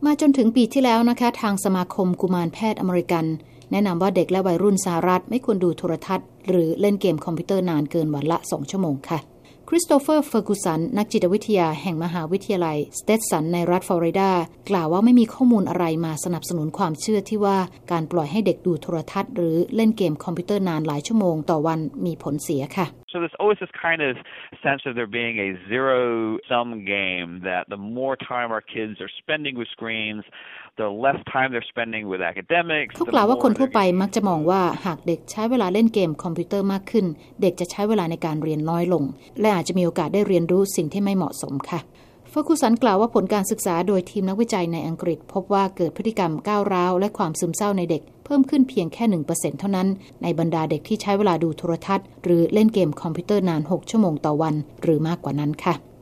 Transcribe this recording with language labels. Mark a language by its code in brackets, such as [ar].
[th] าจนถึงปีที่แล้วนะคะทางสมาคมกุมารแพทย์อเมริกันแนะนำว่าเด็กและวัยรุ่นสหรัฐไม่ควรดูโทรทัศน์หรือเล่นเกมคอมพิวเตอร์นานเกินวันละ2ชั่วโมงค่ะคริสโตเฟอร์เฟอร์กูสันนักจิตวิทยาแห่งมหาวิทยาลัยสเตสันในรัฐฟลอริดากล่าวว่าไม่มีข้อมูลอะไรมาสนับสนุนความเชื่อที่ว่าการปล่อยให้เด็กดูโทรทัศน์หรือเล่นเกมคอมพิวเตอร์นานหลายชั่วโมงต่อวันมีผลเสียค่ะ [en] So there's always this kind of sense of there being a zero sum game that the more time our kids are spending with screens the less time they're spending with academics [th] ทุกกล่าวว่าคนทั่วไปมักจะมองว่าหากเด็กใช้เวลาเล่นเกมคอมพิวเตอร์มากขึ้นเด็กจะใช้เวลาในการเรียนน้อยลงและอาจจะมีโอกาสได้เรียนรู้สิ่งที่ไม่เหมาะสมค่ะเฟอร์กูสันกล่าวว่าผลการศึกษาโดยทีมนักวิจัยในอังกฤษพบว่าเกิดพฤติกรรมก้าวร้าวและความซึมเศร้าในเด็กเพิ่มขึ้นเพียงแค่ 1% เท่านั้นในบรรดาเด็กที่ใช้เวลาดูโทรทัศน์หรือเล่นเกมคอมพิวเตอร์นาน6ชั่วโมงต่อวันหรือมากกว่านั้นค่ะ